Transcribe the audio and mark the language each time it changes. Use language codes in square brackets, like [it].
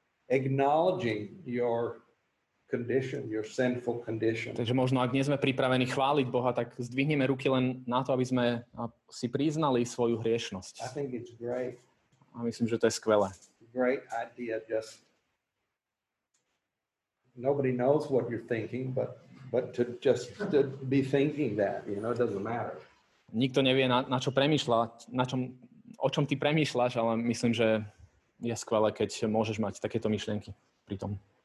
[en] Acknowledging your condition, your sinful condition. [sk] Takže možno ak nie sme pripravení chváliť Boha, tak zdvihneme ruky len na to, aby sme si priznali svoju hriešnosť. [en] I think it's great. [sk] A myslím, že to je skvelé. [en] Great idea, just nobody knows what you're thinking, but to just to be thinking that, you know, it doesn't matter. [sk] Nikto nevie, na čo premýšľať, o čom ty premýšľaš, ale myslím, že je skvelé, keď môžeš mať takéto myšlienky pri tom.